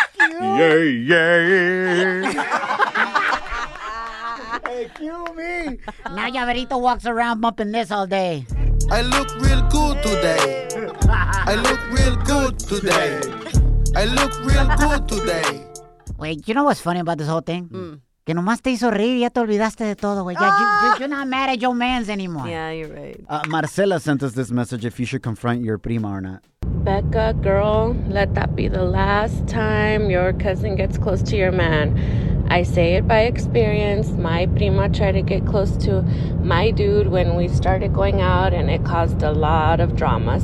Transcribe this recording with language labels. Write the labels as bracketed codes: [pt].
[en] Yay, yay. Hey, cue me. Now Yaverito walks around bumping this all day. I look real good today. I look real good today. I look real good today. Wait, you know what's funny about this whole thing? Mm. [es] Que nomás te hizo reír y ya te olvidaste de todo, güey. [en] Yeah, you're not mad at your mans anymore. Yeah, you're right. Marcela sent us this message if you should confront your prima or not. Becca, girl, let that be the last time your cousin gets close to your man. I say it by experience. My prima tried to get close to my dude when we started going out, and it caused a lot of drama.